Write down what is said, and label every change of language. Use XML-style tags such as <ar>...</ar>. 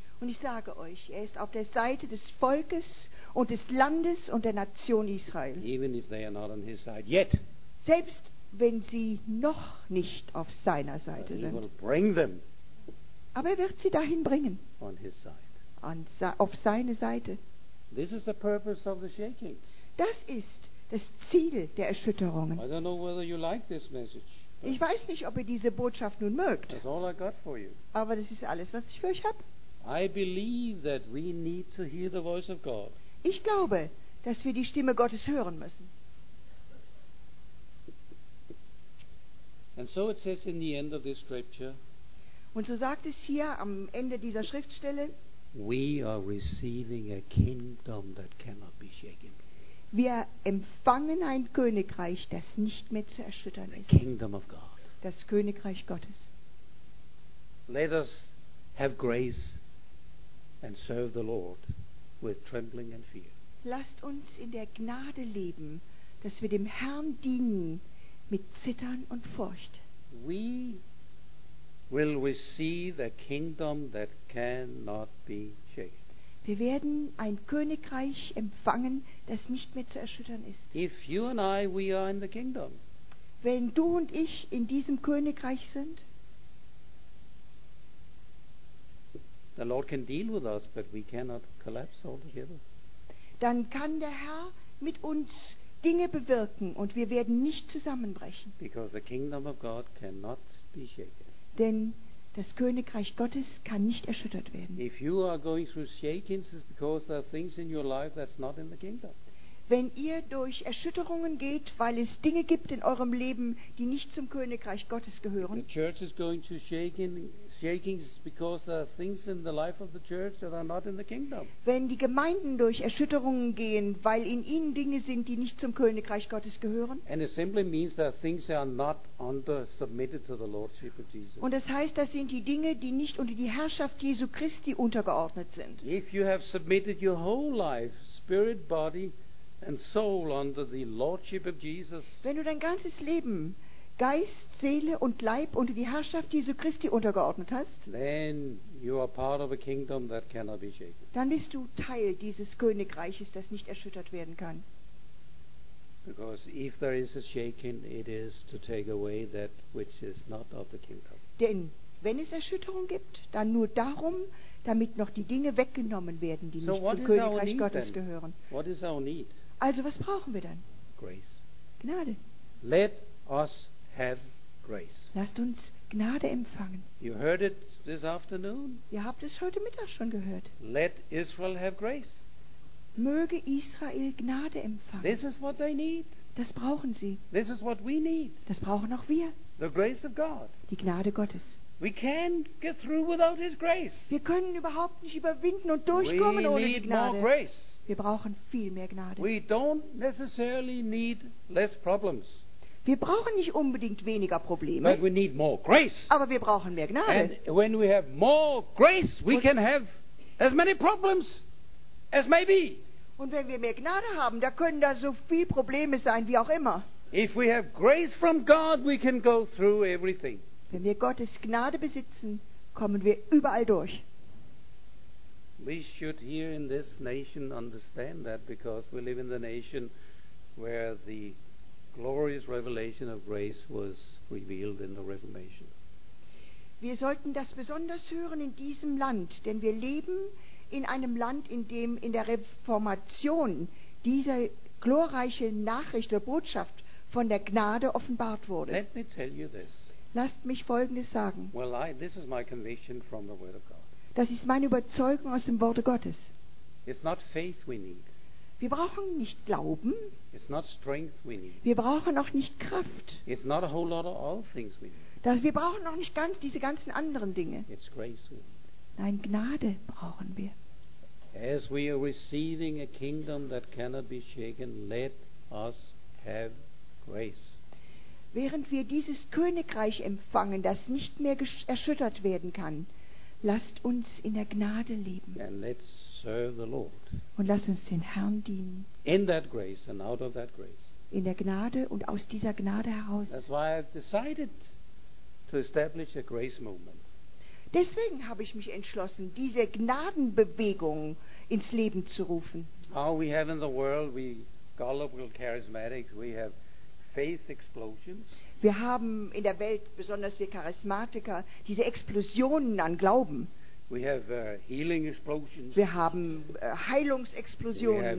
<de>Und ich sage euch, er ist auf der Seite des Volkes und des Landes und der Nation Israel.</de> <en>Even if they are not on his side yet.</en> <de>Selbst wenn sie noch nicht auf seiner Seite</de> <en>he</en> <de>sind.</de> <en>Will bring them.</en> <de>Aber er wird sie dahin bringen.</de> <en>On his side.</en> <de>Auf seine Seite.</de> <en>This is the purpose of the shakings.</en> <de>Das ist das Ziel der Erschütterungen.</de> <en>I don't know whether you like this message.</en> <de>Ich weiß nicht, ob ihr diese Botschaft nun mögt.</de> <en>That's all I got for you.</en> <de>Aber das ist alles, was ich für euch habe.</de> <en>I believe that we need to hear the voice of God.</en> <de>Ich glaube, dass wir die Stimme Gottes hören müssen.</de> <en>And so it says in the end of this scripture.</en> <de>Und so sagt es hier am Ende dieser Schriftstelle.</de> <en>We are receiving a kingdom that cannot be shaken.</en> <de>Wir empfangen ein Königreich, das nicht mehr zu erschüttern ist.</de> <en>The kingdom of God.</en> <de>Das Königreich Gottes.</de> <en>Let us have grace and serve the Lord with trembling and fear.</en> <de>Lasst uns in der Gnade leben, dass wir dem Herrn dienen mit Zittern und Furcht.</de> <en>We will receive a kingdom that cannot be shaken.</en> <de>Wir werden ein Königreich empfangen, das nicht mehr zu erschüttern ist.</de> <en>If you and I, we are in the kingdom.</en> <de>Wenn du und ich in diesem Königreich sind,</de> <en>the Lord can deal with us, but we cannot collapse altogether.</en> <de>Dann kann der Herr mit uns Dinge bewirken und wir werden nicht zusammenbrechen.</de> <en>Because the kingdom of God cannot be shaken.</en> <de>Denn das Königreich Gottes kann nicht erschüttert werden.</de> <en>If you are going through shakings, it's because there are things in your life that's not in the kingdom.</en> <de>Wenn ihr durch Erschütterungen geht, weil es Dinge gibt in eurem Leben, die nicht zum Königreich Gottes gehören.</de> <en>The church is going through shakings, it's because there are things in the life of the church that are not in the kingdom.</en> <de>Wenn die Gemeinden durch Erschütterungen gehen, weil in ihnen Dinge sind, die nicht zum Königreich Gottes gehören.</de> <en>And it simply means that things are not under submitted to the lordship of Jesus.</en> <de>Und das heißt, das sind die Dinge, die nicht unter die Herrschaft Jesu Christi untergeordnet sind.</de> <en>If you have submitted your whole life, spirit, body, and soul under the lordship of Jesus.</en> <de>Wenn du dein ganzes Leben Geist, Seele und Leib unter die Herrschaft Jesu Christi untergeordnet hast,</de> <en>then you are part of a kingdom that cannot be shaken.</en> <de>Dann bist du Teil dieses Königreiches, das nicht erschüttert werden kann.</de> <en>Because if there is a shaking, it is to take away that which is not of the kingdom.</en> <de>Denn wenn es Erschütterung gibt, dann nur darum, damit noch die Dinge weggenommen werden, die so nicht zum Königreich Gottes gehören.</de> <en>What is our need?</en> <de>Also was brauchen wir dann?</de> <en>Grace.</en> <de>Gnade.</de> <en>Let us have grace.</en> <de>Lasst uns Gnade empfangen.</de> <en>You heard it this afternoon.</en> <de>Ihr habt es heute Mittag schon gehört.</de> <en>Let Israel have grace.</en> <de>Möge Israel Gnade empfangen.</de> <en>This is what they need.</en> <de>Das brauchen sie.</de> <en>This is what we need.</en> <de>Das brauchen auch wir.</de> <en>The grace of God.</en> <de>Die Gnade Gottes.</de> <en>We can't get through without his grace.</en> <de>Wir können überhaupt nicht überwinden und durchkommen</de> <en>we</en> <de>ohne die Gnade.</de> <en>More grace.</en> <de>Wir brauchen viel mehr Gnade.</de> <en>We don't necessarily need less problems.</en> <de>Wir brauchen nicht unbedingt weniger Probleme.</de> <en>But we need more grace.</en> <de>Aber wir brauchen mehr Gnade.</de> <en>And when we have more grace, we can have as many problems as may be.</en> <de>Und wenn wir mehr Gnade haben, da können da so viele Probleme sein wie auch immer.</de> <en>If we have grace from God, we can go through everything.</en> <de>Wenn wir Gottes Gnade besitzen, kommen wir überall durch.</de> <en>We should here in this nation understand that, because we live in the nation where the glorious revelation of grace was revealed in the Reformation.</en> <de>Wir sollten das besonders hören in diesem Land, denn wir leben in einem Land, in dem in der Reformation diese glorreiche Nachricht oder Botschaft von der Gnade offenbart wurde.</de> <en>Let me tell you this.</en> <de>Lasst mich Folgendes sagen.</de> <en>Well, this is my conviction from the Word of God.</en> <de>Das ist meine Überzeugung aus dem Worte Gottes.</de> <en>It's not faith we need.</en> <de>Wir brauchen nicht Glauben.</de> <en>It's not strength we need.</en> <de>Wir brauchen auch nicht Kraft.</de> <en>It's not a whole lot of all things we need.</en> <de>Das, wir brauchen auch nicht ganz diese ganzen anderen Dinge.</de> <en>It's grace we need.</en> <de>Nein, Gnade brauchen wir.</de> <en>As we are receiving a kingdom that cannot be shaken, let us have grace.</en> <de>Während wir dieses Königreich empfangen, das nicht mehr erschüttert werden kann, lasst uns in der Gnade leben.</de> <en>And let's serve the Lord.</en> <de>Und lasst uns den Herrn dienen.</de> <en>In that grace and out of that grace.</en> <de>In der Gnade und aus dieser Gnade heraus.</de> <en>That's why I've decided to establish a grace movement.</en> <de>Deswegen habe ich mich entschlossen, diese Gnadenbewegung ins Leben zu rufen.</de> <en>How we have in the world, we gullible charismatics, we have faith explosions.</en> <de>Wir haben in der Welt, besonders wir Charismatiker, diese Explosionen an Glauben.</de> <en>We have healing explosions.</en> <de>Wir haben Heilungsexplosionen.</de>